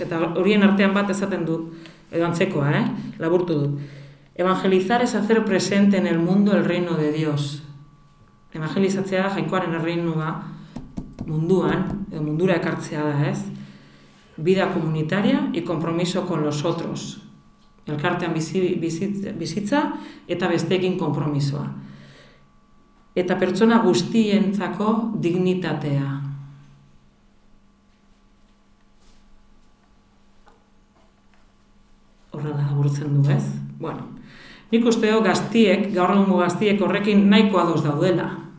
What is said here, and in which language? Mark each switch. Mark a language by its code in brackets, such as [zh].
[eu] Eta horien artean bat esaten du, edo antzekoa, laburtu du. [es] Evangelizar es hacer presente en el mundo el reino de Dios. [eu] Evangelizatzea jainkoaren erreinua munduan, edo mundura ekartzea da, ez? [es] Vida comunitaria y compromiso con los otros. [eu] Elkartean bizitza eta besteekin konpromisoa. Eta pertsona guztientzako dignitatea. Horrela laburtzen du, ez? Bueno, nik uste dut gaztiek, gaur egungo gaztiek horrekin nahiko ados daudela.